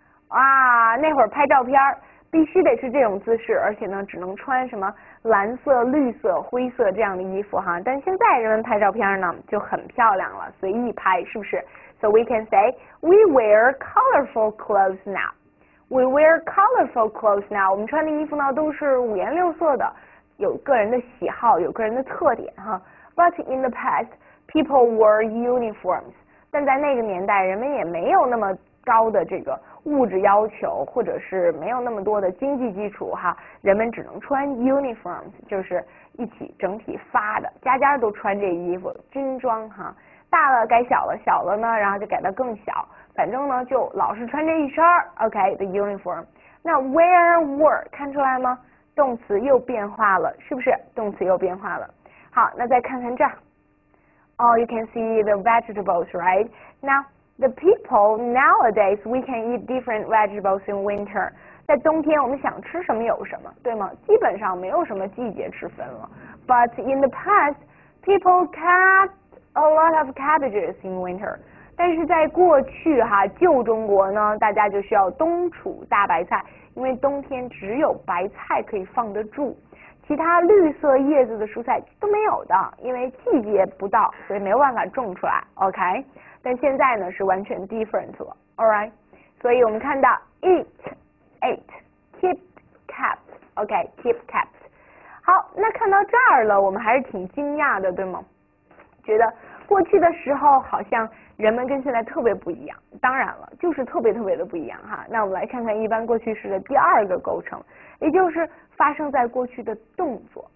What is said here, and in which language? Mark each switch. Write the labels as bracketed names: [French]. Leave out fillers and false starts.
[Chinese] 啊，那会儿拍照片必须得是这种姿势，而且呢，只能穿什么蓝色、绿色、灰色这样的衣服哈。但现在人们拍照片呢，就很漂亮了，随意拍，是不是？ [English] So we can say we wear colorful clothes now. We wear colorful clothes now. [Chinese] 我们穿的衣服呢，都是五颜六色的，有个人的喜好，有个人的特点哈。 [English] But in the past, people wore uniforms. [Chinese] 但在那个年代，人们也没有那么高的这个物质要求，或者是没有那么多的经济基础哈，人们只能穿 uniforms，就是一起整体发的，家家都穿这衣服，军装哈。大了改小了，小了呢，然后就改到更小，反正呢就老是穿这一身儿。 [English] OK，the uniform。 那 wear were 看出来吗？ [Chinese] 动词又变化了，是不是？动词又变化了。好，那再看看这儿。 [English] Oh, you can see the vegetables, right? Now. The people nowadays we can eat different vegetables in winter. [Chinese] 在冬天我们想吃什么有什么，对吗？基本上没有什么季节之分了。 [English] But in the past, people kept a lot of cabbages in winter. [Chinese] 但是在过去哈，旧中国呢，大家就需要冬储大白菜，因为冬天只有白菜可以放得住，其他绿色叶子的蔬菜都没有的，因为季节不到，所以没有办法种出来。OK。但现在呢是完全 different 了， [English] all right？ [Chinese] 所以我们看到 eat, ate, keep, kept，OK, keep, kept。好，那看到这儿了，我们还是挺惊讶的，对吗？觉得过去的时候好像人们跟现在特别不一样，当然了，就是特别特别的不一样哈。那我们来看看一般过去式的第二个构成，也就是发生在过去的动作。